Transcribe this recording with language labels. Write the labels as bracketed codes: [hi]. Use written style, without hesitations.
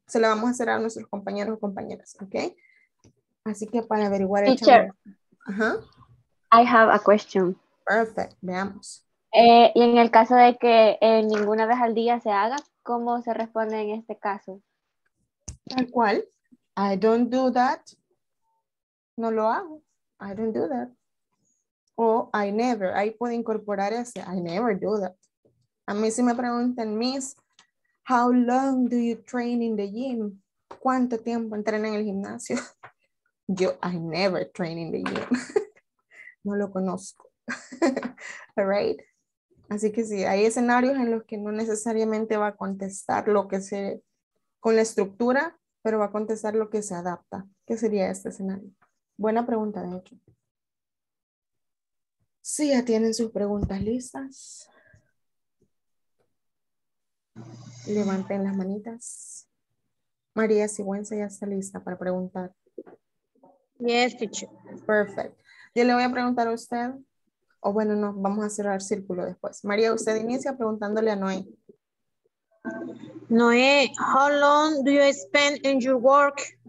[es] Se la vamos a hacer a nuestros compañeros o compañeras. ¿Ok? Así que para averiguar el [en] teacher, I have a question. [es] Perfecto, veamos. Y en el caso de que ninguna vez al día se haga, ¿cómo se responde en este caso? Tal cual, [en] I don't do that, [es] no lo hago, [en] I don't do that. [es] O [en] I never, [es] ahí puede incorporar ese, [en] I never do that. [es] A mí si me preguntan, [en] Miss, how long do you train in the gym? [es] ¿Cuánto tiempo entrena en el gimnasio? Yo, [en] I never train in the gym. [es] No lo conozco. [en] All right. [es] Así que sí, hay escenarios en los que no necesariamente va a contestar lo que se con la estructura, pero va a contestar lo que se adapta. ¿Qué sería este escenario? Buena pregunta, de hecho. Sí, ya tienen sus preguntas listas. Levanten las manitas. María Sigüenza ya está lista para preguntar. [en] Yes, teacher. Perfect. [es] Yo le voy a preguntar a usted. O bueno, no, vamos a cerrar círculo después. María, usted inicia preguntándole a Noé. [en] Noé, how long do you spend in your work?